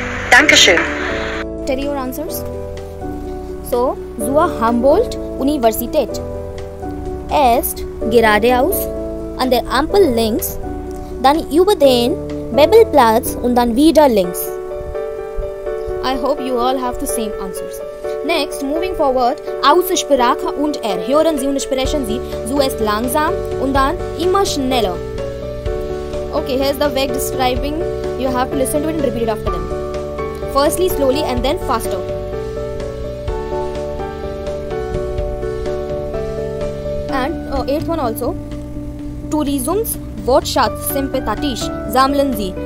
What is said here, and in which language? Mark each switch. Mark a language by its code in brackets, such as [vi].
[de] Dankeschön. [en] Tell your answers. So, [de] zur Humboldt-Universität. Erst geradeaus, an der Ampel links, dann über den Bebelplatz und dann wieder links. [en] I hope you all have the same answers. Next, moving forward, Aussprache und R. [de] Hören Sie und sprechen Sie zuerst langsam und dann immer schneller. [en] Okay, here's the way describing. You have to listen to it and repeat it after them. Firstly, slowly and then faster. And eighth one also. Tourism's [de] Wortschatz sympathisch sammeln Sie.